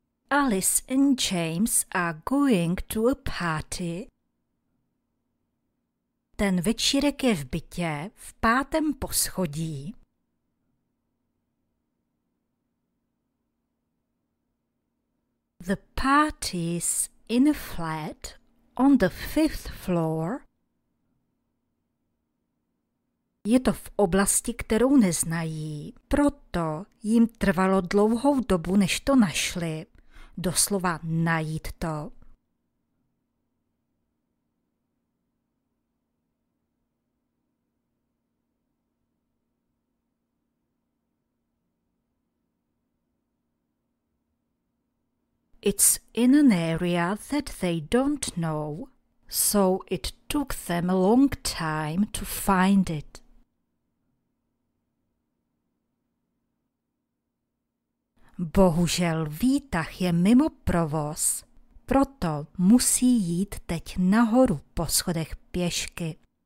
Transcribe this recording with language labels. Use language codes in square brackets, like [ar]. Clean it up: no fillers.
[en] Alice and James are going to a party. [cs] Ten večírek je v bytě v pátém poschodí. [en] The party's in a flat on the fifth floor. [cs] Je to v oblasti, kterou neznají, proto jim trvalo dlouhou dobu, než to našli. Doslova najít to. [en] It's in an area that they don't know, so it took them a long time to find it. [cs] Bohužel výtah je mimo provoz, proto musí jít teď nahoru po schodech pěšky.